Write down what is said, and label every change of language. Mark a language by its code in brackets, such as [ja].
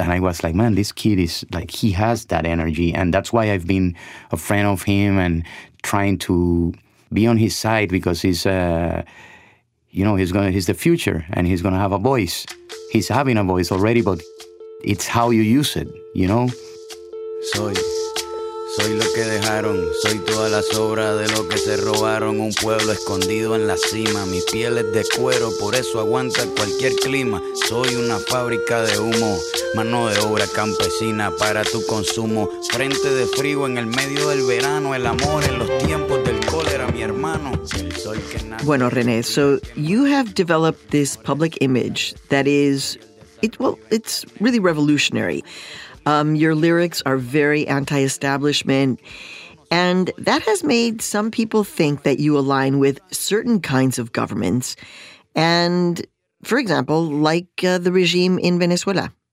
[en] And I was like, man, this kid is, like, he has that energy. And that's why I've been a friend of him and trying to be on his side, because he's, you know, he's the future, and he's gonna have a voice. He's having a voice already, but it's how you use it, you know. [es] Soy lo que dejaron, soy toda la sobra de lo que se robaron. Un pueblo escondido en la cima, mi piel es de cuero, por eso aguanta cualquier clima. Soy una fábrica de humo, mano de obra campesina para tu consumo. Frente de frío en el medio del verano, el amor en los tiempos del cólera, mi hermano. [en] Bueno, René, so you have developed this public image that is, it's really revolutionary. Your lyrics are very anti-establishment, and that has made some people think that you align with certain kinds of governments, and, for example, like the regime in Venezuela.